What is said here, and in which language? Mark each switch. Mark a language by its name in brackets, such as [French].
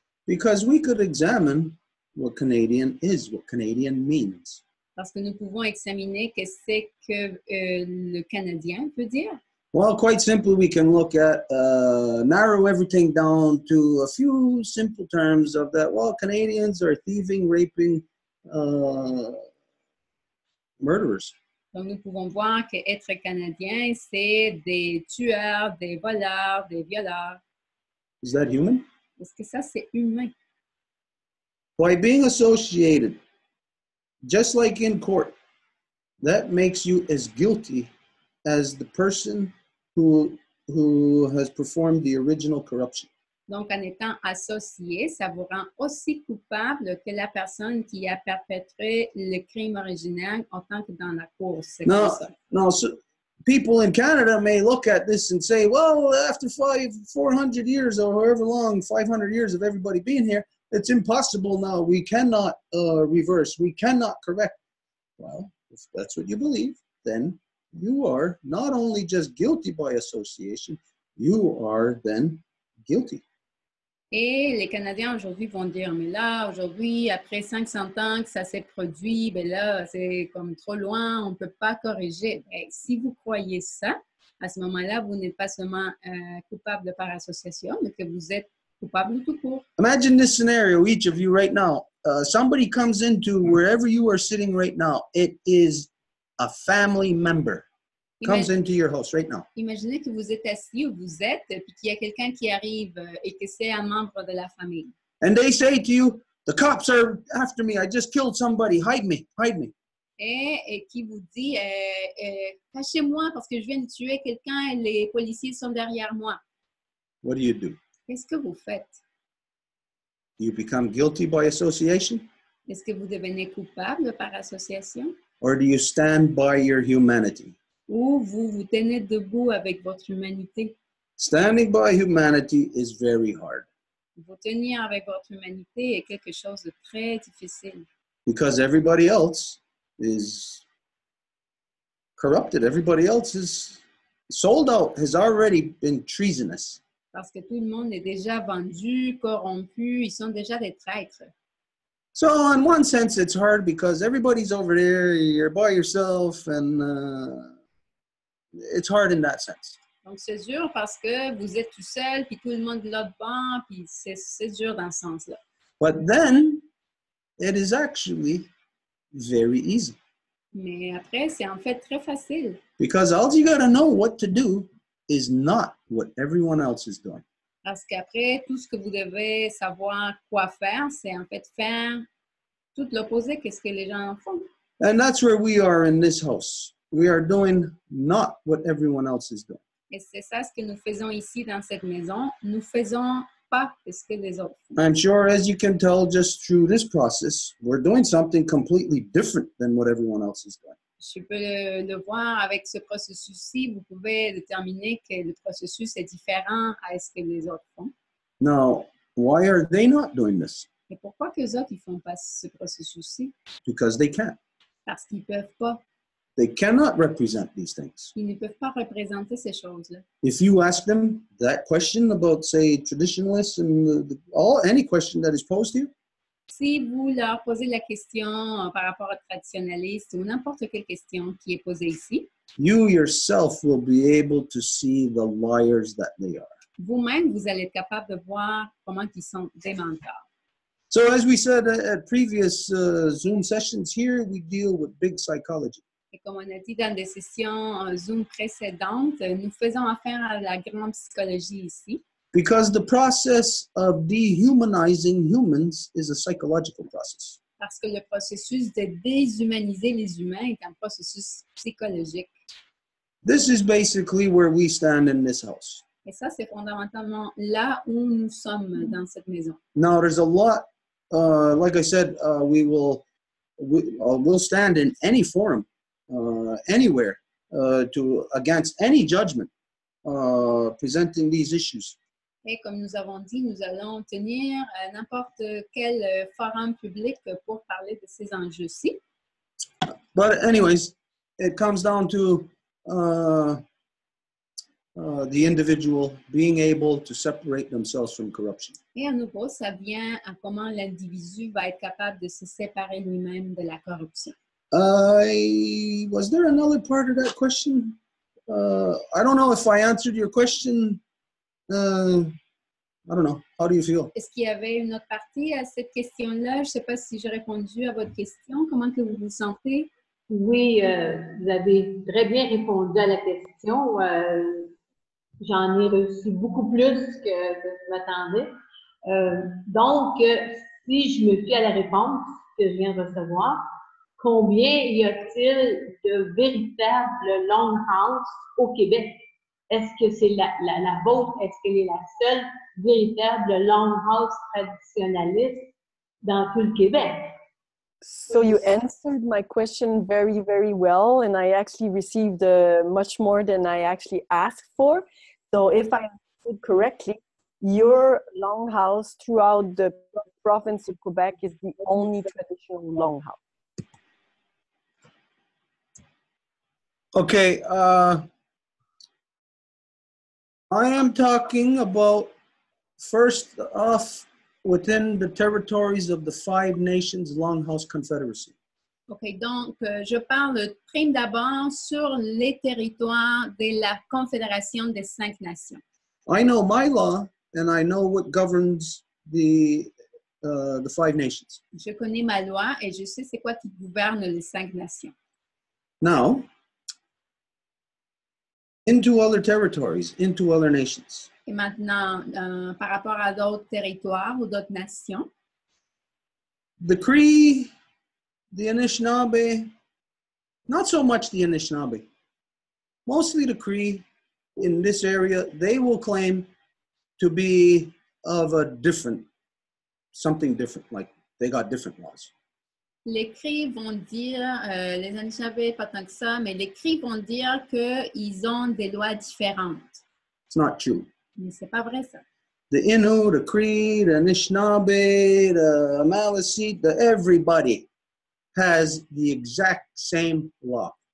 [English] Because we could examine what Canadian is, what Canadian means. [French] Parce que nous pouvons examiner qu'est-ce que le canadien peut dire. [English] Well, quite simply, we can look at, narrow everything down to a few simple terms of that. Well, Canadians are thieving, raping, murderers. [French] Donc, nous pouvons voir qu'être Canadien, c'est des tueurs, des voleurs, des violeurs. [English] Is that human? [French] Est-ce que ça, c'est humain? [English] By being associated, just like in court, that makes you as guilty as the person who has performed the original corruption. [French] Donc, en étant associé, ça vous rend aussi coupable que la personne qui a perpétré le crime originel en tant que dans la cour. [English] So people in Canada may look at this and say, well, after 400 years or however long, 500 years of everybody being here, it's impossible now. We cannot reverse. We cannot correct. Well, if that's what you believe, then you are not only just guilty by association, you are then guilty. [French] Et les Canadiens aujourd'hui vont dire, mais là, aujourd'hui, après 500 ans que ça s'est produit, ben là, c'est comme trop loin, on ne peut pas corriger. Ben, si vous croyez ça, à ce moment-là, vous n'êtes pas seulement coupable par association, mais que vous êtes coupable tout court. [English] Imagine this scenario, each of you right now. Somebody comes into wherever you are sitting right now. It is a family member. Comes into your house right now. [French] Imaginez que vous êtes assis où vous êtes puis qu'il y a quelqu'un qui arrive et que c'est un membre de la famille. [English] And they say to you, the cops are after me. I just killed somebody. Hide me. Hide me. [French] Et qui vous dit, cachez-moi parce que je viens de tuer quelqu'un et les policiers sont derrière moi. [English] What do you do? [French] Qu'est-ce que vous faites? [English] You become guilty by association? [French] Est-ce que vous devenez coupable par association? [English] Or do you stand by your humanity? [French] Où vous vous tenez debout avec votre humanité. [English] Standing by humanity is very hard. [French] Vous tenir avec votre humanité est quelque chose de très difficile. [English] Because everybody else is corrupted. Everybody else is sold out, has already been treasonous. [French] Parce que tout le monde est déjà vendu, corrompu, ils sont déjà des traîtres. [English] So in one sense, it's hard because everybody's over there, you're by yourself, and it's hard in that sense. [French] Donc c'est dur parce que vous êtes tout seul, puis tout le monde est l'autre banc, puis c'est dur dans ce sens-là. [English] But then, it is actually very easy. [French] Mais après, c'est en fait très facile. [English] Because all you gotta know what to do is not what everyone else is doing. [French] Parce qu'après, tout ce que vous devez savoir quoi faire, c'est en fait faire tout l'opposé de ce que les gens font. [English] And that's where we are in this house. We are doing not what everyone else is doing. [French] Et c'est ça ce que nous faisons ici dans cette maison. Nous faisons pas ce que les autres font. [English] I'm sure as you can tell just through this process, we're doing something completely different than what everyone else is doing. [French] Je peux le voir avec ce processus-ci. Vous pouvez déterminer que le processus est différent à ce que les autres font. [English] Now, why are they not doing this? [French] Et pourquoi que les autres ne font pas ce processus-ci? [English] Because they can't. [French] Parce qu'ils ne peuvent pas. [English] They cannot represent these things. [French] Ils ne peuvent pas représenter ces choses-là. [English] If you ask them that question about, say, traditionalists and any question that is posed to you, [French] si vous leur posez la question par rapport au traditionnaliste ou n'importe quelle question qui est posée ici, [English] you yourself will be able to see the liars that they are. [French] Vous-même, vous allez être capable de voir comment ils sont des menteurs. [English] So as we said at previous Zoom sessions here, we deal with big psychology. [French] Et comme on a dit dans des sessions Zoom précédentes, nous faisons affaire à la grande psychologie ici. [English] Because the process of dehumanizing humans is a psychological process. [French] Parce que le processus de déshumaniser les humains est un processus psychologique. [English] This is basically where we stand in this house. [French] Et ça, c'est fondamentalement là où nous sommes dans cette maison. [English] Now, there's a lot, like I said, we'll stand in any forum, anywhere, to against any judgment presenting these issues. [French] Et comme nous avons dit, nous allons tenir n'importe quel forum public pour parler de ces enjeux-ci. [English] But anyways, it comes down to the individual being able to separate themselves from corruption. [French] Et à nouveau, ça vient à comment l'individu va être capable de se séparer lui-même de la corruption. [English] Was there another part of that question? I don't know if I answered your question. I don't know. How do you feel? [French] Est-ce qu'il y avait une autre partie à cette question-là? Je ne sais pas si j'ai répondu à votre question. Comment que vous vous sentez? Oui, vous avez très bien répondu à la question. J'en ai reçu beaucoup plus que je m'attendais. Donc, si je me fie à la réponse que je viens de recevoir, combien y a-t-il de véritables longhouses au Québec? Est-ce que c'est la vôtre? Est-ce qu'elle est la seule véritable longhouse traditionnaliste dans tout le Québec? [English] So you answered my question very, very well, and I actually received much more than I actually asked for. So if I understood correctly, your longhouse throughout the province of Quebec is the only traditional longhouse. Okay. I am talking about, first off, within the territories of the Five Nations Longhouse Confederacy. [French] Okay, donc je parle prime d'abord sur les territoires de la Confédération des Cinq Nations. [English] I know my law, and I know what governs the Five Nations. [French] Je connais ma loi, et je sais c'est quoi qui gouverne les Cinq Nations. [English] Now, into other territories, into other nations. [French] Et maintenant, par rapport à d'autres territoires ou d'autres nations. [English] The Cree, the Anishinaabe, not so much the Anishinaabe. Mostly the Cree in this area, they will claim to be of a different, something different, like they got different laws. [French] Les Cris vont dire, les Anishinaabe, pas tant que ça, mais les Cris vont dire qu'ils ont des lois différentes. [English] It's not true. [French] Mais c'est pas vrai, ça. [English] The Innu, the Cree, the Anishinaabe, the Maliseet, the everybody has the exact same law.